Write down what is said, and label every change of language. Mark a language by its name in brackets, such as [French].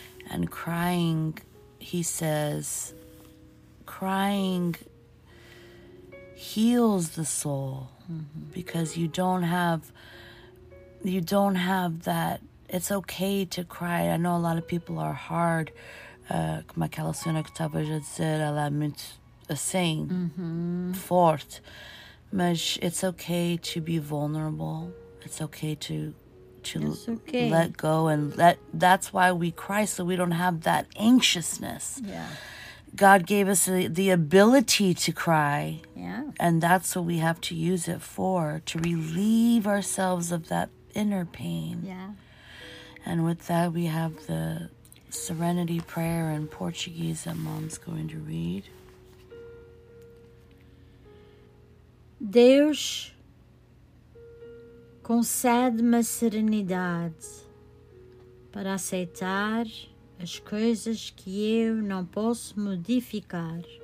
[English] And crying, he says, crying heals the soul. Mm-hmm. Because you don't have that. It's okay to cry. I know a lot of people are hard. [Portuguese] Como aquela senhora que estava já dizer, ela é muito assim, forte. [English] Mas it's okay to be vulnerable. It's okay to let go and let. That's why we cry, so we don't have that anxiousness. Yeah, God gave us the ability to cry. Yeah, and that's what we have to use it for, to relieve ourselves of that inner pain. Yeah, and with that we have the Serenity Prayer in Portuguese that Mom's going to read. [Portuguese] Deus, concede-me a serenidade para aceitar as coisas que eu não posso modificar.